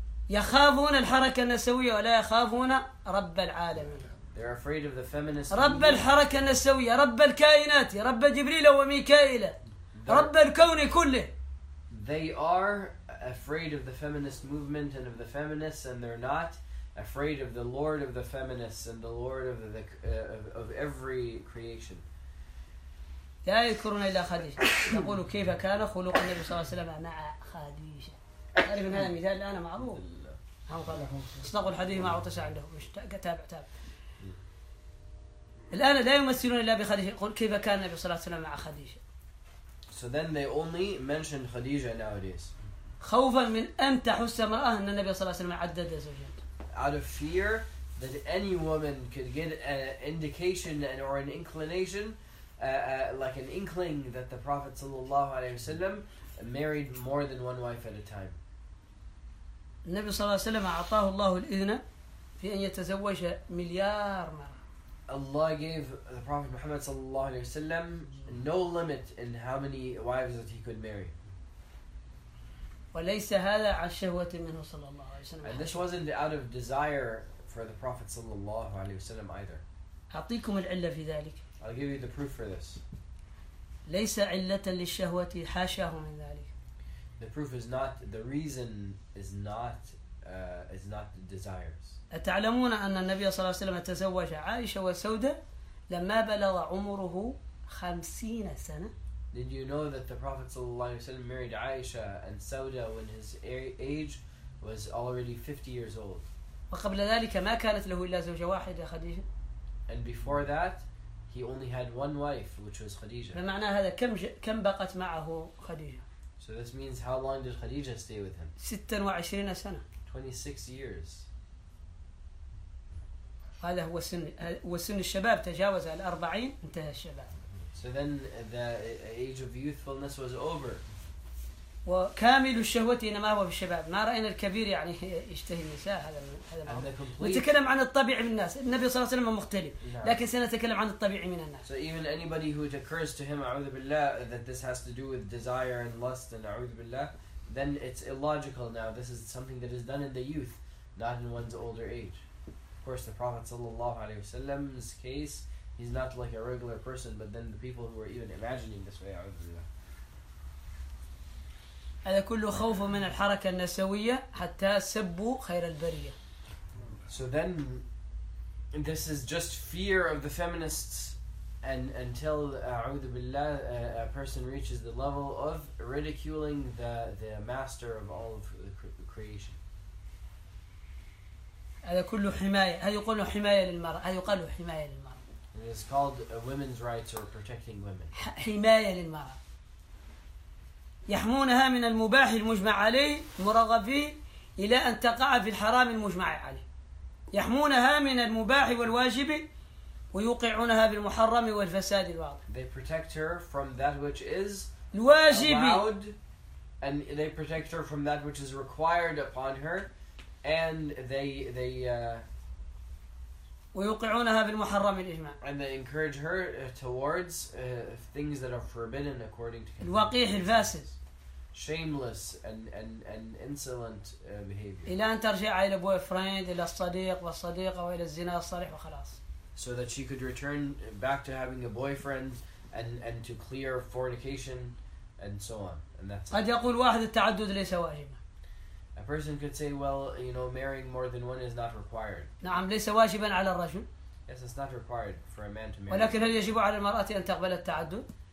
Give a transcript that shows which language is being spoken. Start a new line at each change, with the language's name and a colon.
Arabic: يخافون الحركة النسوية ولا يخافون رب العالمين.
English: They're afraid of the feminist.
Arabic: رب الحركة النسوية رب الكائنات رب جبريل وميكائيل رب الكون كله.
English: They are afraid of the feminist movement and of the feminists, and they're not afraid of the Lord of the feminists and the Lord of the of every creation.
Arabic: لا يذكرون إلا خديجة. يقول كيف كان خلق النبي صلى الله عليه وسلم مع خديجة. أعرف هذا مثال الآن معروف. هم قالوا أصدق الحديث ما عطش عنده. مش تابع. الآن لا يمثلون إلا بخديجة. يقول كيف كان النبي صلى الله عليه وسلم مع خديجة.
English: So then they only mention خديجة nowadays.
Arabic: خوفا من أن تحس امرأة أن النبي صلى الله عليه وسلم عدد زوجات.
English: Out of fear that any woman could get an indication or an inclination, like an inkling that the Prophet
Arabic: صلى الله عليه وسلم
English: married more than one wife at a time.
Arabic: النبي صلى الله عليه وسلم أعطاه الله الإذن في أن يتزوج مليار مرة.
English: Allah gave the Prophet Muhammad
Arabic: صلى الله عليه وسلم
English: no limit in how many wives that he could marry.
Arabic: وليس هذا عن شهوة منه صلى الله عليه وسلم.
English: And this wasn't out of desire for the Prophet
Arabic: صلى الله عليه وسلم
English: either.
Arabic: أعطيكم العلة في ذلك.
English: I'll give you the proof for this.
Arabic: ليس علة للشهوة حاشاه من ذلك.
English: The proof is not the reason is not the desires.
Arabic: أتعلمون أن النبي صلى الله عليه وسلم تزوج عائشة وسودة لما بلغ عمره 50 سنة.
English: Did you know that the Prophet ﷺ married Aisha and Sauda when his age was already 50 years old?
Arabic: وقبل ذلك ما كانت له إلا زوجة واحدة خديجة.
English: And before that, he only had one wife, which was خديجة.
Arabic: بمعنى هذا كم بقت معه خديجة؟
English: So this means how long did خديجة stay with him?
Arabic: 26 سنة.
English: 26 years.
Arabic: هذا هو سن الشباب تجاوز 40 انتهى الشباب.
English: So then the age of youthfulness was over.
Arabic: وكامل الشهوة إنما هو في الشباب. ما رأينا الكبير يعني يشتهي النساء هذا. نتكلم عن الطبيعة من الناس. النبي صلى الله عليه وسلم مختلف. لكن سنتكلم عن الطبيعة من الناس.
English: So even anybody who it occurs to him,
Arabic: أعوذ بالله,
English: that this has to do with desire and lust, and
Arabic: أعوذ بالله,
English: then it's illogical now. This is something that is done in the youth, not in one's older age. Of course, the Prophet ﷺ's case, he's not like a regular person, but then the people who are even imagining this way,
Arabic: أعوذ بالله. هذا كله خوف من الحركة النسوية حتى سبوا خير البرية.
English: So then, this is just fear of the feminists, and until
Arabic: أعوذ بالله,
English: a person reaches the level of ridiculing the master of all of the creation.
Arabic: هذا كله حماية. هذا يقال حماية للمرأة. هذا يقال حماية للمرأة.
English: It is called women's rights or protecting women.
Arabic: حماية للمرأة. يحمونها من المباح المجمع عليه المرغب فيه إلى أن تقع في الحرام المجمع عليه. يحمونها من المباح والواجب ويوقعونها في المحرم والفساد الواضح.
English: They protect her from that which is
Arabic: الواجب.
English: Allowed, and they protect her from that which is required upon her, and they
Arabic: ويوقعونها في المحرم الإجماع.
English: And they encourage her towards things that are forbidden according to
Arabic: الوقيح الفاسد.
English: Shameless and insolent behavior.
Arabic: إلى أن ترجع إلى boyfriend إلى الصديق والصديقة وإلى الزنا الصريح وخلاص.
English: So that she could return back to having a boyfriend and to clear fornication and so on, and that's.
Arabic: قد يقول واحد التعدد ليس واجبا.
English: A person could say, well, you know, marrying more than one is not required.
Arabic: نعم ليس واجبا على الرجل.
English: Yes, it's not required for a man to marry.
Arabic: ولكن هل يجب على المرأة أن تقبل التعدد؟